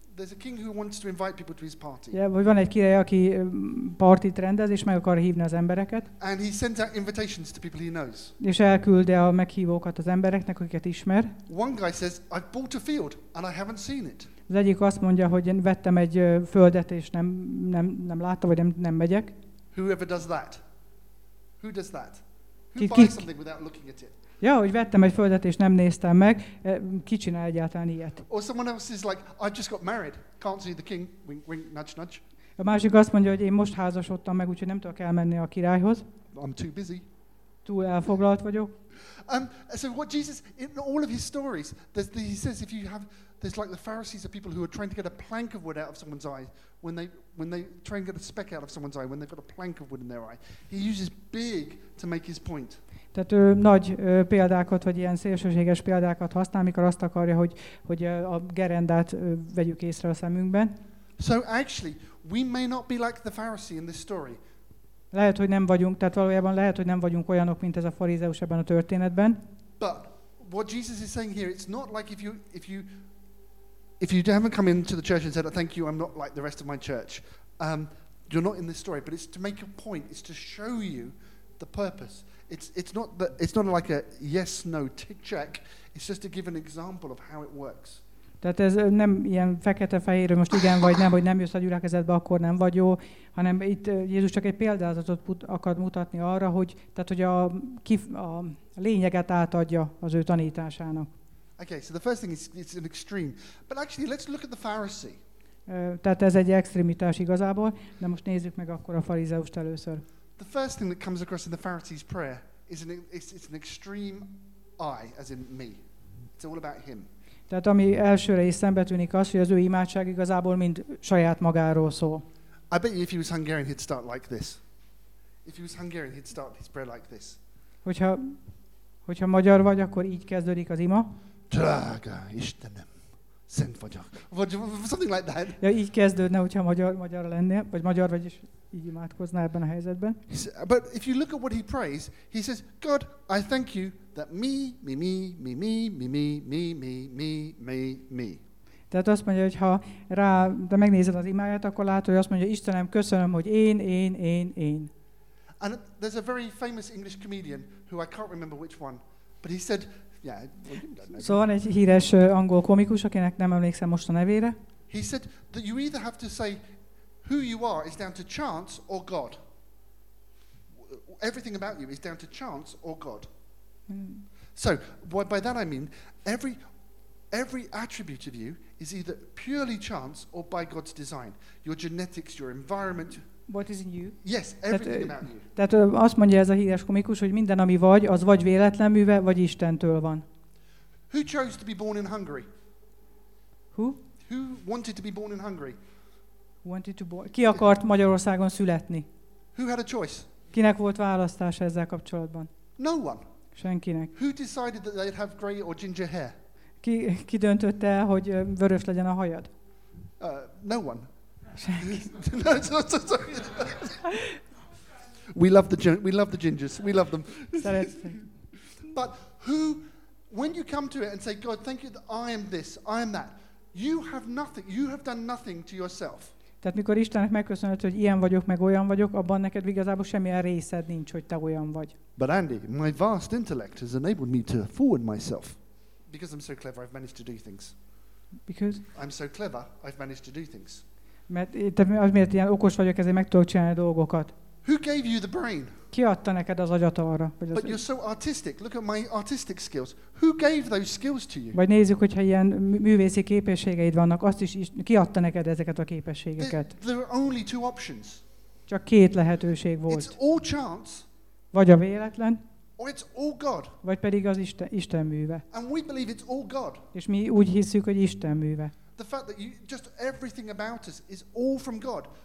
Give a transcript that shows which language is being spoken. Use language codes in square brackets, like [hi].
[en] There's a king who wants to invite people to his party. [hu] Yeah, vagy van egy király, aki partit rendez, és meg akar hívni az embereket. [en] And he sends out invitations to people he knows. [hu] És elküldi a meghívókat az embereknek, akiket ismer. [en] One guy says, I've bought a field and I haven't seen it. [hu] Az egyik azt mondja, hogy én vettem egy földet, és nem láttam, vagy nem megyek. [en] Whoever does that? Who does that? Who buys something without looking at it? [hu] Ja, hogy vettem egy földet, és nem néztem meg. Ki csinál egyáltalán ilyet? [en] Or someone else is like, I just got married. Can't see the king. Wink, wink, nudge, nudge. [hu] A másik azt mondja, hogy én most házasodtam meg, úgyhogy nem tudok elmenni a királyhoz. [en] I'm too busy. [hu] Túl elfoglalt vagyok. [en] So what Jesus, in all of his stories, he says if you have, there's like the Pharisees are people who are trying to get a plank of wood out of someone's eye when they try and get a speck out of someone's eye when they've got a plank of wood in their eye. He uses big to make his point. [hu] Tehát nagy példákat, vagy ilyen szélsőséges példákat használ, amikor azt akarja, hogy a gerendát vegyük észre a szemünkben. [en] So actually, we may not be like the Pharisee in this story. [hu] Lehet, hogy nem vagyunk, tehát valójában lehet, hogy nem vagyunk olyanok, mint ez a farizeus ebben a történetben. [en] But what Jesus is saying here, it's not like if you haven't come into the church and said, thank you, I'm not like the rest of my church. You're not in this story, but it's to make a point, it's to show you the purpose. It's not like a yes no tick check. It's just to give an example of how it works. [hu] Tehát ez nem ilyen fekete-fehér, most igen vagy nem, hogy nem jössz a gyülekezetbe, akkor nem vagy jó, hanem itt Jézus csak egy példázatot akar mutatni arra, hogy tehát hogy a lényeget átadja az ő tanításának. [en] Okay, so the first thing is it's an extreme. But actually let's look at the Pharisee. [hu] Tehát ez egy extrémitás igazából, de most nézzük meg akkor a farizeust először. [en] The first thing that comes across in the Pharisee's prayer is it's an extreme I, as in me. It's all about him. [hu] Tehát ami elsőre is szembe tűnik az, hogy az ő imádság igazából mind saját magáról szól. [en] I bet you if he was Hungarian he'd start like this. If he was Hungarian he'd start his prayer like this. [hu] Hogyha magyar vagy, akkor így kezdődik az ima. Drága Istenem, szent vagyok. [en] Something like that. [hu] Ja, így kezdődne, hogyha magyar lenne, vagy magyar vagy is. Így imádkozna ebben a helyzetben. [en] But if you look at what he prays, he says, God, I thank you that me. [hu] Tehát azt mondja, hogy ha rá, de megnézed az imáját, akkor látod, hogy azt mondja, Istenem, köszönöm, hogy én. [en] And there's a very famous English comedian who I can't remember which one, but he said, yeah. [hu] Szóval egy híres angol komikus, akinek nem emlékszem most a nevére. [en] He said that you either have to say who you are is down to chance or God. Everything about you is down to chance or God. So, by that I mean, every attribute of you is either purely chance or by God's design. Your genetics, your environment. What is in you? Yes, everything about you. [hu] Tehát azt mondja ez a híres komikus, hogy minden, ami vagy, az vagy véletlen műve, vagy Istentől van. [en] Who chose to be born in Hungary? Who? Who wanted to be born in Hungary? [hu] Ki akart Magyarországon születni? [en] Who had a choice? [hu] Kinek volt választása ezzel kapcsolatban? [en] No one. [hu] Senkinek. [en] Who decided that they'd have grey or ginger hair? [hu] Ki döntötte, hogy vörös legyen a hajad? [en] No one. Senki. No, sorry. We love the gingers. We love them. But who, when you come to it and say, God, thank you that I am this, I am that, you have nothing. You have done nothing to yourself. [hu] Tehát mikor Istennek megköszönhet, hogy ilyen vagyok, meg olyan vagyok, abban neked igazából semmilyen részed nincs, hogy te olyan vagy. [en] But Andy, my vast intellect has enabled me to fool myself. Because I'm so clever, I've managed to do things. Because? I'm so clever, I've managed to do things. [hu] Mert te azért ilyen okos vagyok, ezért meg tudok csinálni dolgokat. [en] Who gave you the brain? [hu] Ki adta neked az agyat arra? [en] But you're so artistic. Look at my artistic skills. Who gave those skills to you? [hu] Vagy nézzük, hogyha ilyen művészi képességeid vannak, azt is ki adta neked ezeket a képességeket? [en] There are only two options. [hu] Csak két lehetőség volt. [en] It's all chance. [hu] Vagy a véletlen. [en] Or it's all God. [hu] Vagy pedig az Isten műve. [en] And we believe it's all God. [hu] És mi úgy hiszük, hogy Isten műve. [en] The fact that just everything about us is all from God.